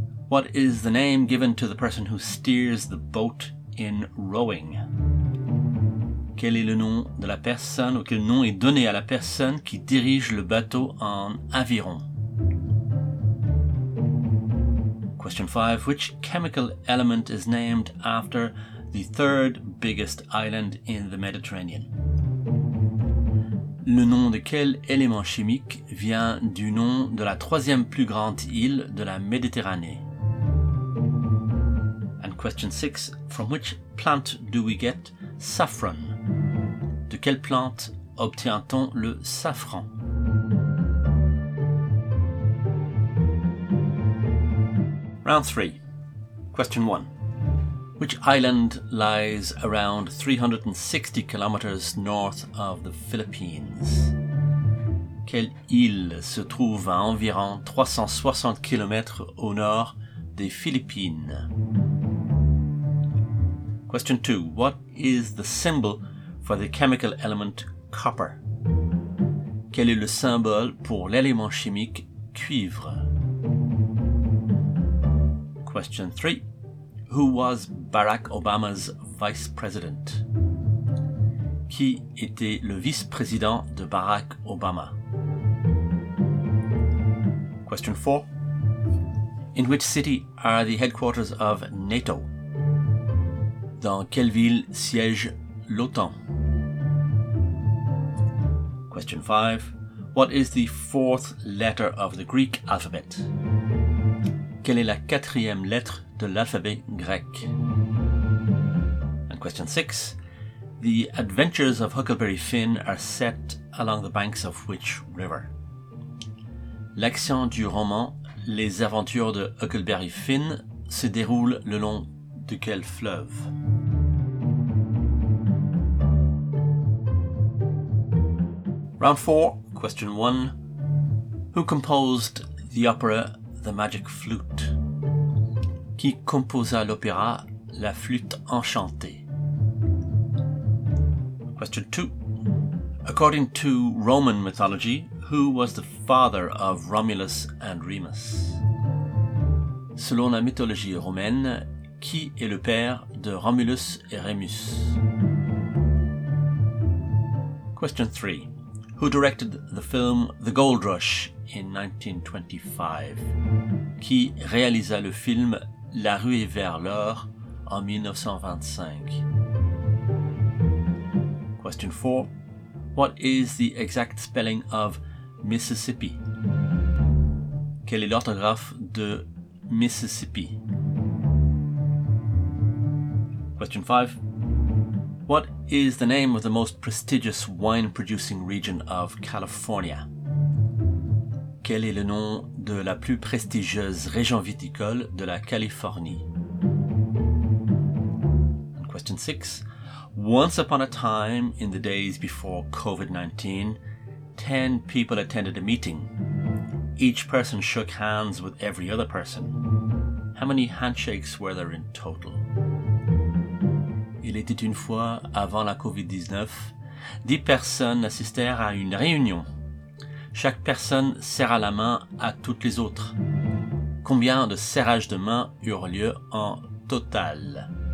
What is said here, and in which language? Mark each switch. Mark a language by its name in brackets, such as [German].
[English] What is the name given to the person who steers the boat in rowing? [French] Quel est le nom de la personne ou quel nom est donné à la personne qui dirige le bateau en aviron? [English] Question 5. Which chemical element is named after the third biggest island in the Mediterranean? [French] Le nom de quel élément chimique vient du nom de la troisième plus grande île de la Méditerranée? [English] And question 6. From which plant do we get saffron? [French] De quelle plante obtient-on le safran? [English] Round 3. Question 1. Which island lies around 360 kilometers north of the Philippines? [French] Quelle île se trouve à environ 360 kilometers au nord des Philippines? [English] Question 2. What is the symbol for the chemical element copper? [French] Quel est le symbole pour l'élément chimique cuivre? [English] Question 3. Who was Barack Obama's vice president? [French] Qui était le vice-président de Barack Obama? [English] Question 4. In which city are the headquarters of NATO? [French] Dans quelle ville siège l'OTAN? [English] Question 5. What is the fourth letter of the Greek alphabet? [French] Quelle est la quatrième lettre de l'alphabet grec? [English] And question 6. The Adventures of Huckleberry Finn are set along the banks of which river? [French] L'action du roman Les Aventures de Huckleberry Finn se déroule le long de quel fleuve? [English] Round 4, question 1. Who composed the opera The Magic Flute? [French] Qui composa l'opéra La Flûte Enchantée? [English] Question 2. According to Roman mythology, who was the father of Romulus and Remus? [French] Selon la mythologie romaine, qui est le père de Romulus et Remus? [English] Question 3. Who directed the film The Gold Rush in 1925? [French] Qui réalisa le film La Ruée vers l'or en 1925? [English] Question 4. What is the exact spelling of Mississippi? [French] Quelle est l'orthographe de Mississippi? [English] Question 5. What is the name of the most prestigious wine-producing region of California? [French] Quel est le nom de la plus prestigieuse région viticole de la Californie? [English] And question 6. Once upon a time, in the days before COVID-19, 10 people attended a meeting. Each person shook hands with every other person. How many handshakes were there in total? [French] Il était une fois, avant la COVID-19, 10 personnes assistèrent à une réunion. Chaque personne serra la main à toutes les autres. Combien de serrages de main eurent lieu en total?